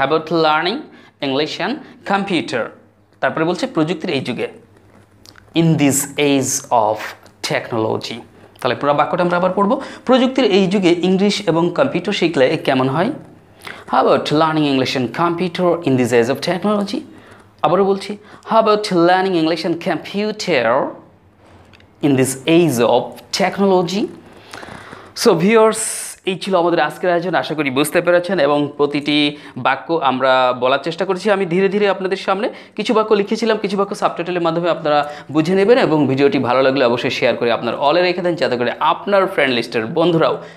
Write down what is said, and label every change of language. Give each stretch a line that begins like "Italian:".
English: How about learning English and computer?
Bangla: তারপরে বলছে প্রযুক্তির এই যুগে
English: In this age of technology.
Bangla: তাহলে পুরো বাক্যটা আমরা আবার পড়বো প্রযুক্তির এই যুগে ইংলিশ এবং কম্পিউটার শিখলে কেমন হয়
English: How about learning English and computer in this age of technology?
Bangla: আবারও বলছি
English: How about learning English and computer in this age of technology? So viewers,
Bangla: এই ছিল আমাদের আজকের আয়োজন আশা করি বুঝতে পেরেছেন এবং প্রতিটি বাক্য আমরা বলার চেষ্টা করেছি আমি ধীরে ধীরে আপনাদের সামনে কিছু বাক্য লিখেছিলাম কিছু বাক্য সাবটাইটেলের মাধ্যমে আপনারা বুঝে নেবেন এবং ভিডিওটি ভালো লাগলে অবশ্যই শেয়ার করে আপনার অলে রেখে দেন যাতে করে আপনার ফ্রেন্ড লিস্টের বন্ধুরাও